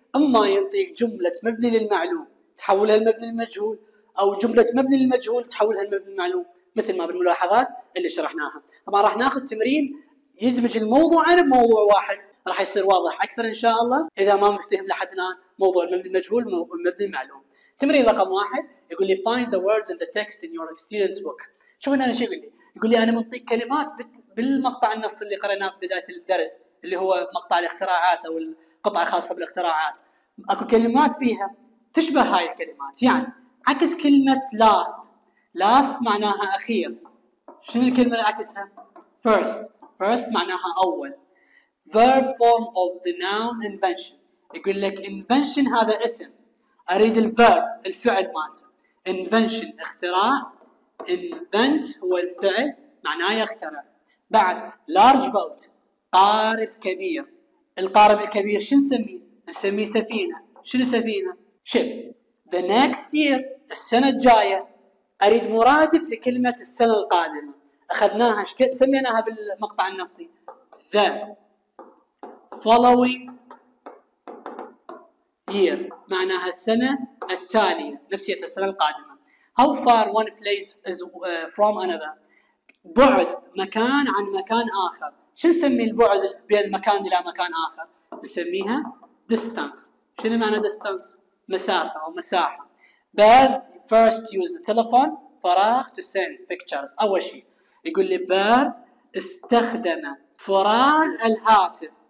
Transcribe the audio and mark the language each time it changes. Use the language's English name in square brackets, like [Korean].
[Arabic] اما يعطيك جمله مبني للمعلوم تحولها لمبني المجهول، او جمله مبني للمجهول تحولها لمبني المعلوم، مثل ما بالملاحظات اللي شرحناها. طبعا راح ناخذ تمرين يدمج الموضوعين بموضوع واحد، راح يصير واضح اكثر ان شاء الله اذا ما مفتهم لحد الان موضوع المبني المجهول ومبني المعلوم. تمرين رقم واحد يقول لي [English] find the words in the text in your student's book. [Arabic] شوف انا شو يقول لي؟ يقول لي انا منطيك كلمات بالمقطع النص اللي قريناه بدايه الدرس، اللي هو مقطع الاختراعات او القطعه الخاصه بالاختراعات. اكو كلمات فيها تشبه هاي الكلمات، يعني عكس كلمه last. last معناها اخير. شنو الكلمه اللي عكسها؟ first. first معناها اول. [English] verb form of the noun invention. يقول لك invention [Arabic] هذا اسم، أريد الفعل، الفعل مالته. invention اختراع، invent هو الفعل معناه يخترع. بعد large boat قارب كبير، القارب الكبير شو نسميه؟ نسميه سفينة. شنو سفينة؟ ship. [English] the next year [Arabic] السنة الجاية، أريد مرادف لكلمة السنة القادمة أخذناها سميناها بالمقطع النصي [English] the following year [Arabic] معناها السنة التالية نفسية السنة القادمة. [English] how far one place is from another [Arabic] بعد مكان عن مكان آخر. شو نسمي البعد بين مكان إلى مكان آخر؟ نسميها distance. شنو معنى distance؟ مسافة أو مساحة. [English] bird first use the telephone فراغ to send pictures. [Arabic] أول شيء يقول لي bird استخدم فران الهاتف.